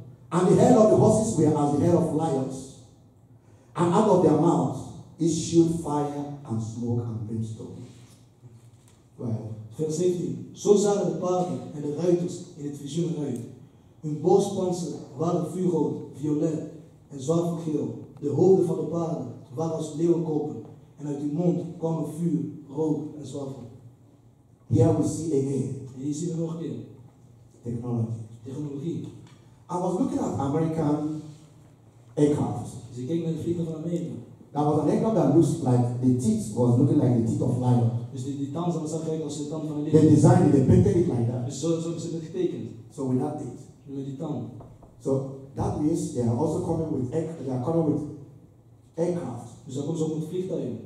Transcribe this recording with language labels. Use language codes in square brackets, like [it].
[en] And the head of the horses were as the head of lions. And out of their mouths issued fire and smoke and brimstone. Well. [nl] Vers 17. Zo zagen de paarden en de ruiters in het visioen uit. Hun borstpansen waren vuurrood, violet en zwavelgeel. De hoofden van de paarden waren als leeuwenkoppen. En uit hun mond kwamen vuur, rook en zwavel. [en] Here we see again. [nl] En je ziet het nog een keer. Technologie. [en] I was looking at American aircraft. [nl] Dus ik keek naar de vliegtuig van Amerika. [en] There was an aircraft that looked like the teeth was looking like the teeth of lion. [nl] Dus die tand zat zo gek als de tand van een leeuw. [en] They designed it, they painted it like that. [nl] Dus zo hebben ze het getekend. [en] So with that teeth. [nl] Met die tand. [en] So that means they are also coming with aircraft. [nl] Dus daar komen ze ook met vliegtuigen.